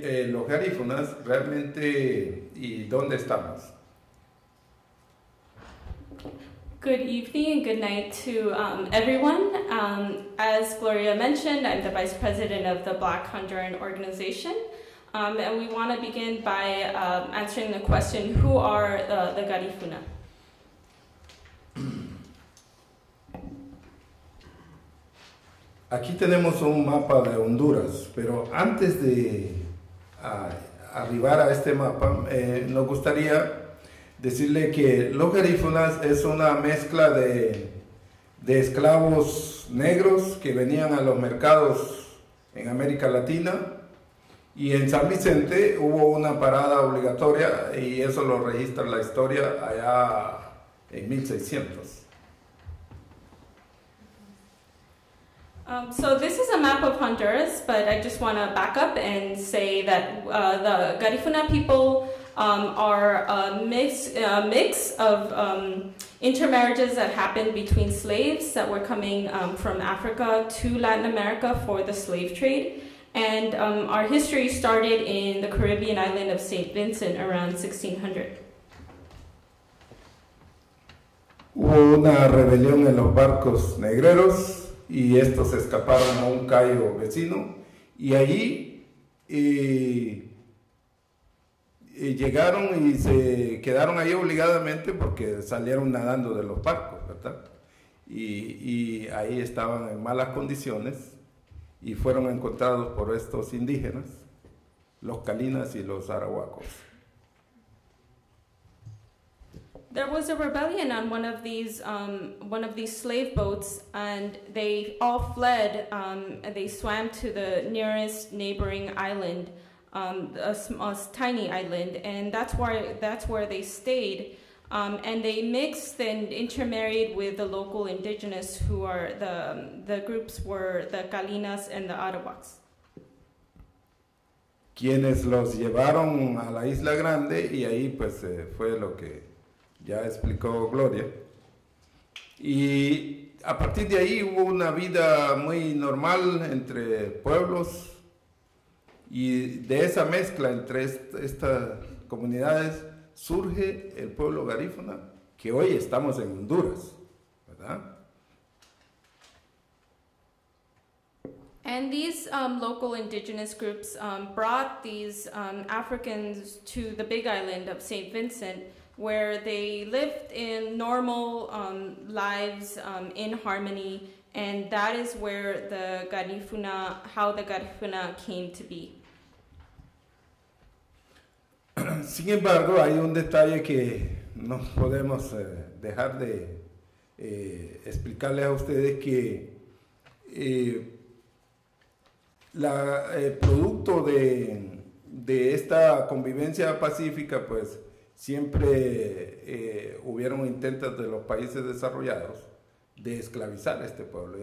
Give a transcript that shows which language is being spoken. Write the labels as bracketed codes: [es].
[es] Los garífunas realmente, ¿y dónde estamos? [en] Good evening and good night to everyone. As Gloria mentioned, I'm the vice president of the Black Honduran Organization. And we want to begin by answering the question, who are the Garifuna? [es] Aquí tenemos un mapa de Honduras, pero antes de arribar a este mapa, nos gustaría decirle que los Garifunas es una mezcla de esclavos negros que venían a los mercados en América Latina. Y en San Vicente hubo una parada obligatoria, y eso lo registra la historia allá en 1600. [en] So this is a map of Honduras, but I just want to back up and say that the Garifuna people are a mix of intermarriages that happened between slaves that were coming from Africa to Latin America for the slave trade. And our history started in the Caribbean island of St. Vincent around 1600. [es] Hubo una rebelión en los barcos negreros y estos escaparon a un cayo vecino y allí y llegaron y se quedaron ahí obligadamente porque salieron nadando de los barcos, ¿verdad? Y ahí estaban en malas condiciones y fueron encontrados por estos indígenas, los Kalinas y los Arahuacos. [en] There was a rebellion on one of these slave boats, and they all fled. They swam to the nearest neighboring island, a tiny island, and that's where they stayed. And they mixed and intermarried with the local indigenous, who are the groups were the Kalinas and the Arawaks. [es] Quienes los llevaron a la Isla Grande, y ahí pues fue lo que ya explicó Gloria. Y a partir de ahí hubo una vida muy normal entre pueblos. Y de esa mezcla entre estas comunidades surge el pueblo garífuna, que hoy estamos en Honduras, ¿verdad? [en] And these local indigenous groups brought these Africans to the big island of St. Vincent, where they lived in normal lives in harmony, and that is where the Garifuna, how the Garifuna came to be. [es] Sin embargo, hay un detalle que no podemos dejar de explicarles a ustedes, que el producto de esta convivencia pacífica, pues, siempre hubieron intentos de los países desarrollados de esclavizar a este pueblo.